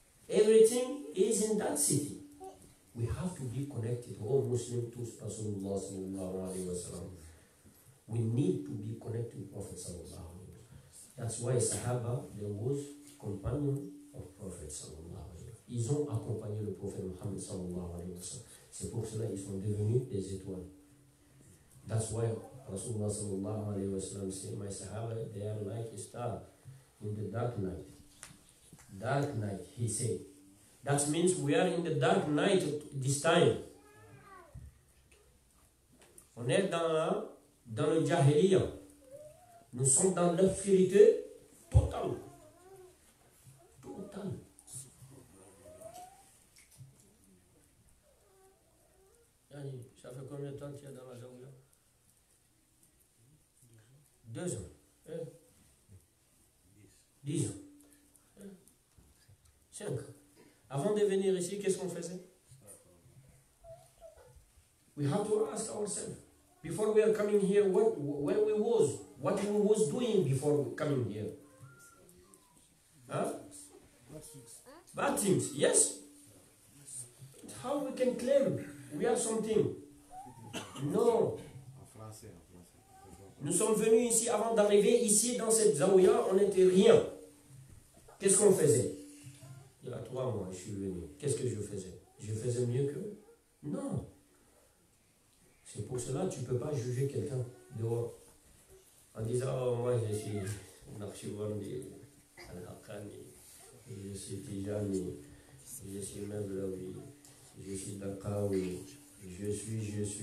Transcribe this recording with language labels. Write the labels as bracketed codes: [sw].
[en] Everything is in that city. We have to be connected, all Muslim to Rasulullah sallallahu alaihi wasallam. We need to be connected to Prophet sallallahu alaihi wasallam. That's why Sahaba, there was companion of Prophet sallallahu alaihi wasallam. [fr] Ils ont accompagné le Prophète Muhammad sallallahu alaihi wasallam. C'est pour cela qu'ils sont devenus des étoiles. [en] That's why Rasulullah sallallahu alaihi wasallam said, my Sahaba, they are like a star in the dark night. Dark night, he said. That means we are in the dark night this time. [fr] On est dans le jahiliya. Nous sommes dans l'obscurité totale. Totale. Yanni, ça fait combien de temps que tu es dans la jungle? 2 ans. Dix. 10 ans. 5. Avant de venir ici, qu'est-ce qu'on faisait? [en] We have to ask ourselves. Before we are coming here, where we was? What we was doing before coming here? Bad things, yes? But how we can claim we are something? No. [fr] Nous sommes venus ici, avant d'arriver ici, dans cette Zawiya, on n'était rien. Qu'est-ce qu'on faisait? À toi, moi, je suis venu. Qu'est-ce que je faisais? Je faisais mieux qu'eux? Non. C'est pour cela que tu ne peux pas juger quelqu'un dehors. En disant, oh, moi, je suis un archivandi, un arcani, je suis tijani, je suis même la vie, je suis d'Akawi, je suis.